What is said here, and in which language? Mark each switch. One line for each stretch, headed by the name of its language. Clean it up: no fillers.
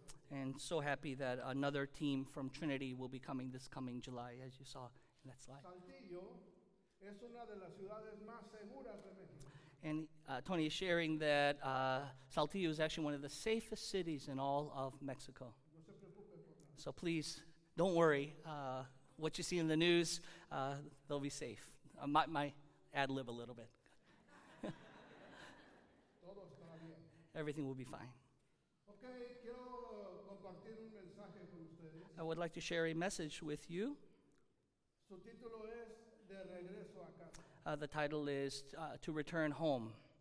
English: And so happy that another team from Trinity will be coming this coming July, as you saw in that slide.
Spanish: Saltillo es una de las ciudades más seguras de México.
English: And Tony is sharing that Saltillo is actually one of the safest cities in all of Mexico. So please, don't worry. What you see in the news, they'll be safe. I might ad lib a little bit. Everything will be fine.
Spanish: Okay, quiero compartir un mensaje con ustedes.
English: I would like to share a message with you.
Spanish: Su título es De Regreso a Casa.
English: The title is To Return Home.